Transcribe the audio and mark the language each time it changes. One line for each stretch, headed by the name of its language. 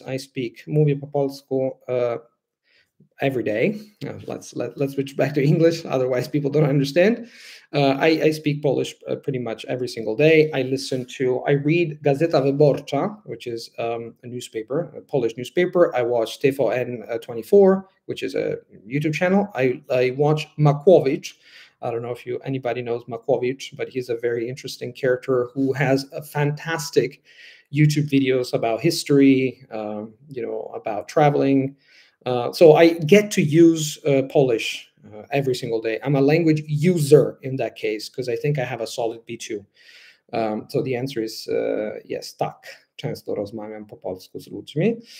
English: I speak,
Polish: mówię po polsku
English: every day. Let's switch back to English, otherwise people don't understand. I speak Polish pretty much every single day. I read Gazeta Wyborcza, which is a newspaper, a Polish newspaper. I watch TVN24, which is a YouTube channel. I watch Makłowicz. I don't know if anybody knows Makłowicz, but he's a very interesting character who has a fantastic YouTube videos about history, about traveling. So I get to use Polish every single day. I'm a language user in that case, because I think I have a solid B2. So the answer is yes, tak.
Polish: Często rozmawiam po polsku z ludźmi.